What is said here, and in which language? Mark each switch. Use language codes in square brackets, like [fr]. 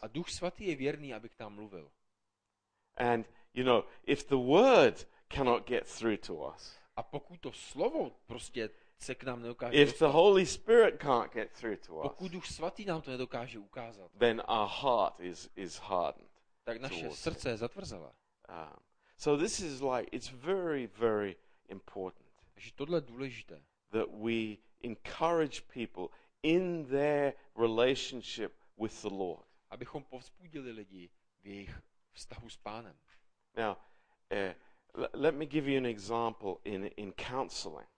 [cs] A Duch Svatý je věrný, aby k nám mluvil. [en] And you know, if the word cannot get through to us. [cs] A pokud to slovo prostě se k nám nedokáže. [en] If the Holy Spirit can't get through to us. [cs] Pokud Duch Svatý nám to nedokáže ukázat. [en] Then our heart is hardened. [cs] Tak naše srdce je zatvrzelé. [en] So this is like it's very very important. [cs] Že tohle je důležité. [en] That we encourage people in their relationship with the Lord. [cs] Abychom povzbudili lidi v jejich vztahu s Pánem. [en] Now, let me give you an example in counseling.